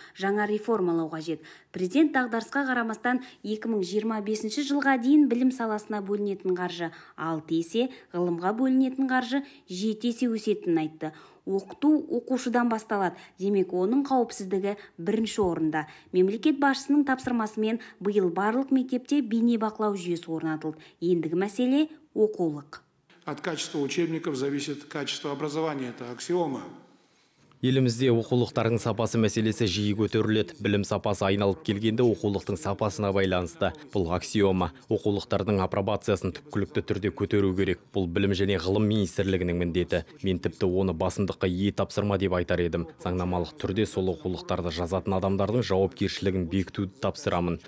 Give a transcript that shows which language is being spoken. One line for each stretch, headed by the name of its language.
Kazakh: Жаңа реформалау қажет. Президент дағдарысқа қарамастан 2025 жылға дейін білім саласына бөлінетін қаржы 6 есе, ғылымға бөлінетін қаржы 7 есе өсетін айтты. Оқыту оқушыдан басталады, демек оның қауіпсіздігі бірінші орында. Мемлекет басшысының тапсырмасымен биыл барлық мектепте бейне бақылау жүйесі орнатылды. Ендігі мәселе оқулық.
Russian: От качества учебников зависит качество образования. Это аксиома.
Kazakh: Елімізде оқулықтардың сапасы мәселесі жиі көтеріледі. Білім сапасы айналып келгенде оқулықтың сапасына байланысты. Бұл аксиома. Оқулықтардың апробациясын түпкілікті түрде көтеру керек. Бұл білім және ғылым министрлігінің міндеті. Мен тіпті оны басымдыққа ие тапсырма деп айтар едім. Заңнамалық түрде сол оқулықтарды жазатын адамдардың жауапкершілігін бекітуді тапсырамын.